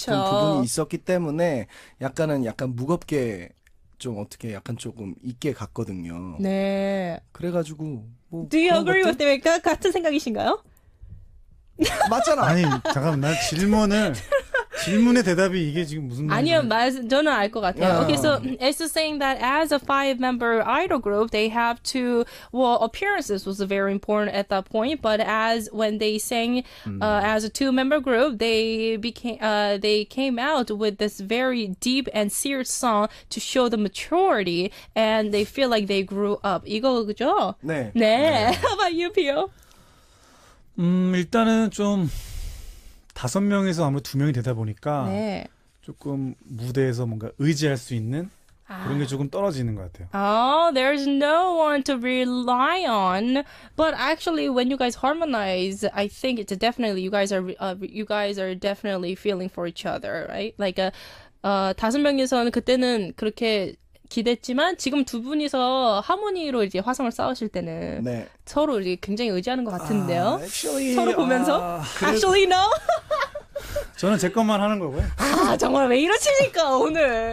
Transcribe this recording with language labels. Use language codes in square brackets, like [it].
[ko] 싶은 부분이 있었기 때문에 약간 무겁게 좀 어떻게 약간 조금 있게 갔거든요. 네. 그래가지고 뭐 [en] Do you agree with them? 같은 생각이신가요? [ko] 맞잖아. 아니 잠깐만 나 질문의 대답이 이게 지금 무슨 아니요 저는 알 것 같아요. Yeah. [en] Okay, so it's saying that as a five-member idol group, they have to well, appearances was very important at that point. But as when they sang as a two-member group, they came out with this very deep and serious song to show the maturity, and they feel like they grew up. [ko] 이거 그죠? 네. [en] 네. How about you, Pio? [ko] 일단은 좀 다섯 명에서 아무래도 두 명이 되다 보니까 네. 조금 무대에서 뭔가 의지할 수 있는 아. 그런 게 조금 떨어지는 것 같아요. [en] Oh, there's no one to rely on. But actually, when you guys harmonize, I think it's definitely you guys are definitely feeling for each other, right? [ko] Like 다섯 명에서는 그때는 그렇게 기댔지만 지금 두 분이서 하모니로 이제 화성을 쌓으실 때는 네. 서로 이제 굉장히 의지하는 것 같은데요. 아, [en] actually, [ko] 서로 보면서 그래도... actually no. 저는 제 것만 하는 거고요. 아 정말 왜 이러십니까 오늘.